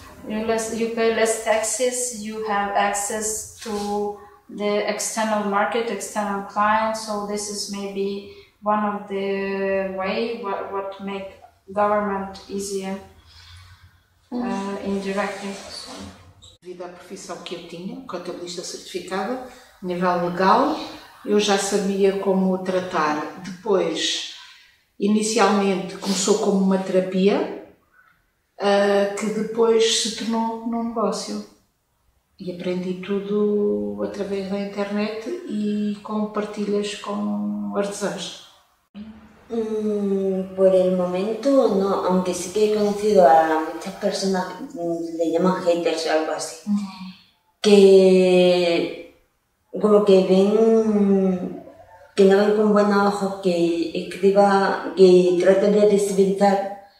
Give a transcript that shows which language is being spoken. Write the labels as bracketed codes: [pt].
[en] You pay less taxes, you have access to the external market, external clients, so this is maybe one of the way what make government easier indirectly. [pt] Devido à profissão que eu tinha, contabilista certificada, nível legal, eu já sabia como tratar. Depois, inicialmente, começou como uma terapia, que depois se tornou num negócio e aprendi tudo através da internet e com partilhas com artesãs. [es] Por el momento, no, aunque sí que he conocido a muchas personas, le llaman haters o algo así, que como que ven, que no ven con buenos ojos que escriba, que trate de visibilizar